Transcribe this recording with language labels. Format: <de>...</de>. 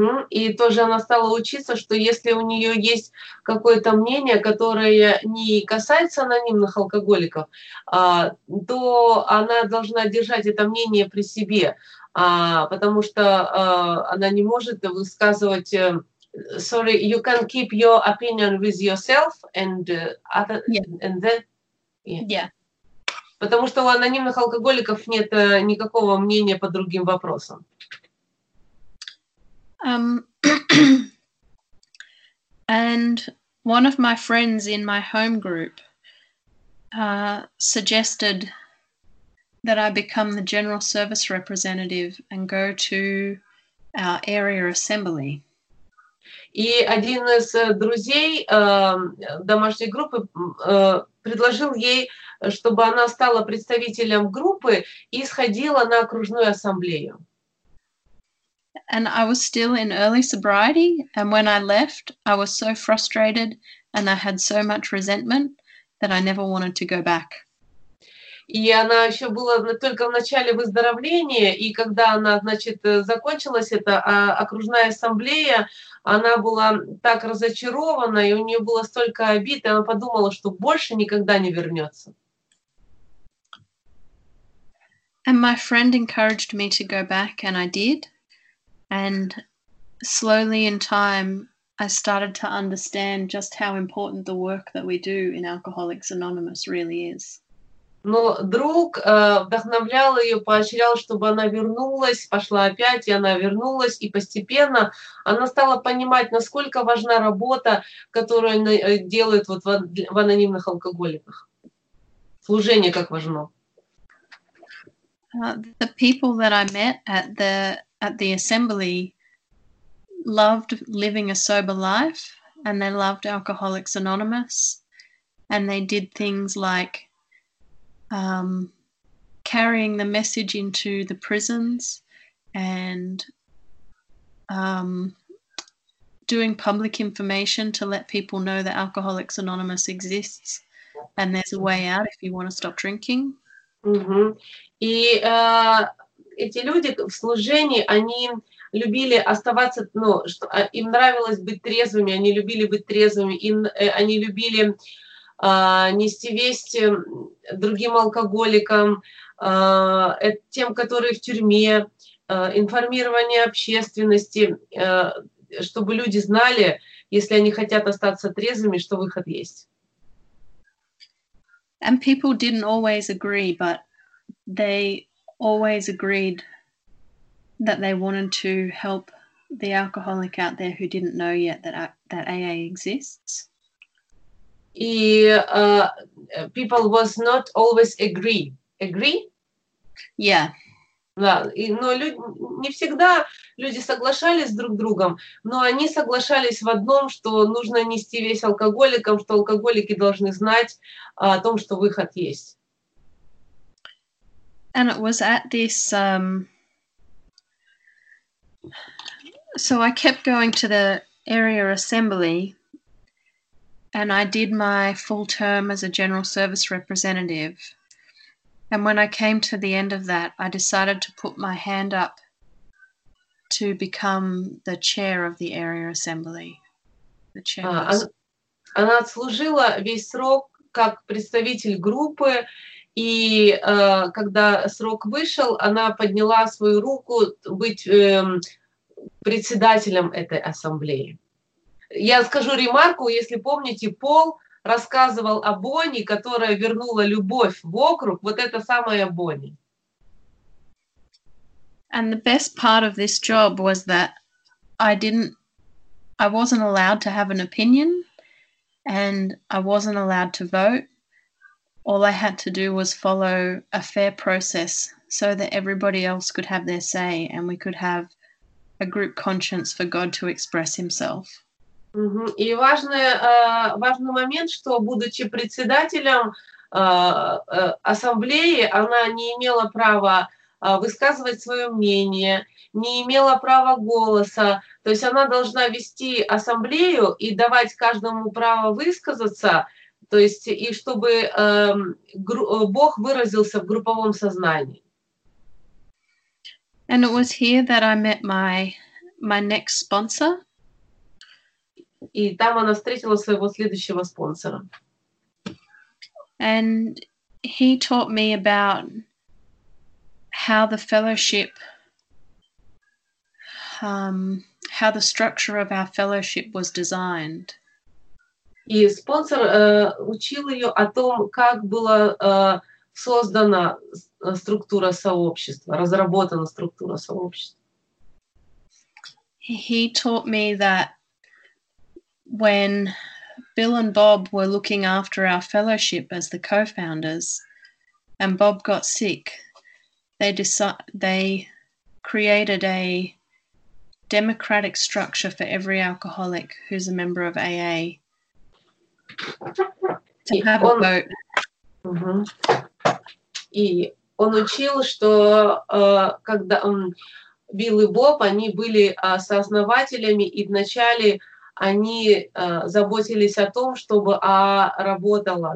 <ru>И тоже она стала учиться, что если у нее есть какое-то мнение, которое не касается анонимных алкоголиков, то она должна держать это мнение при себе, потому что она не может высказывать...</ru> <en>Sorry, you can keep your opinion with yourself and other... Yeah. And then, yeah. Yeah.</en> <ru>Потому что у анонимных алкоголиков нет никакого мнения по другим вопросам.</ru> <en>And one of my friends in my home group suggested that I become the general service representative and go to our area assembly.</en> <ru>И один из друзей домашней группы предложил ей, чтобы она стала представителем группы и сходила на окружную ассамблею.</ru> <en>And I was still in early sobriety, and when I left, I was so frustrated, and I had so much resentment that I never wanted to go back.</en> <ru>И она еще была только в начале выздоровления, и когда она, значит, закончилась эта окружная ассамблея, она была так разочарована, и у нее было столько обид, и она подумала, что больше никогда не вернется.</ru> <en>And my friend encouraged me to go back, and I did. And slowly in time, I started to understand just how important the work that we do in Alcoholics Anonymous really is.</en> <ru>Но друг вдохновлял ее, поощрял, чтобы она вернулась, пошла опять, и она вернулась, и постепенно она стала понимать, насколько важна работа, которую делают вот в анонимных алкоголиках. Служение как важно.</ru> <en>The people that I met at the assembly loved living a sober life and they loved Alcoholics Anonymous and they did things like carrying the message into the prisons and doing public information to let people know that Alcoholics Anonymous exists and there's a way out if you want to stop drinking.</en> <ru>Эти люди в служении, они любили оставаться, ну, что, им нравилось быть трезвыми, они любили быть трезвыми, они любили нести весть другим алкоголикам, тем, которые в тюрьме, информирование общественности, чтобы люди знали, если они хотят остаться трезвыми, что выход есть.</ru> <en>And people didn't always agree, but they always agreed that they wanted to help the alcoholic out there who didn't know yet that AA exists.</en> <ru>И</ru> <en>people was not always agree. Yeah.</en> <ru>Да, и, но люди, не всегда люди соглашались друг с другом, но они соглашались в одном, что нужно нести весь алкоголикам, что алкоголики должны знать о том, что выход есть.</ru> <en>And it was at this, so I kept going to the area assembly and I did my full term as a general service representative. And when I came to the end of that, I decided to put my hand up to become the chair of the area assembly. The chair.</en> <ru>Она отслужила весь срок как представитель группы. И когда срок вышел, она подняла свою руку быть председателем этой ассамблеи. Я скажу ремарку, если помните, Пол рассказывал о Бонни, которая вернула любовь в округ, вот это самая Бонни.</ru> <en>And the best part of this job was that I wasn't allowed to have an opinion and I wasn't allowed to vote. All I had to do was follow a fair process so that everybody else could have their say and we could have a group conscience for God to express himself.</en> <ru>И важный момент, что, будучи председателем ассамблеи, она не имела права высказывать свое мнение, не имела права голоса. То есть она должна вести ассамблею и давать каждому право высказаться, то есть и чтобы Бог выразился в групповом сознании.</ru> <en>And it was here that I met my next sponsor.</en> <ru>И там она встретила своего следующего спонсора.</ru> <en>And he taught me about how the fellowship, how the structure of our fellowship was designed.</en> <ru>И спонсор учил ее о том, как была создана структура сообщества, разработана структура сообщества.</ru> <en>He taught me that when Bill and Bob were looking after our fellowship as the co-founders, and Bob got sick, they created a democratic structure for every alcoholic who's a member of AA to have a vote.</en> <ru>И он учил, что когда Билл и Боб, они были сооснователями, и вначале они заботились о том, чтобы АА работала.</ru>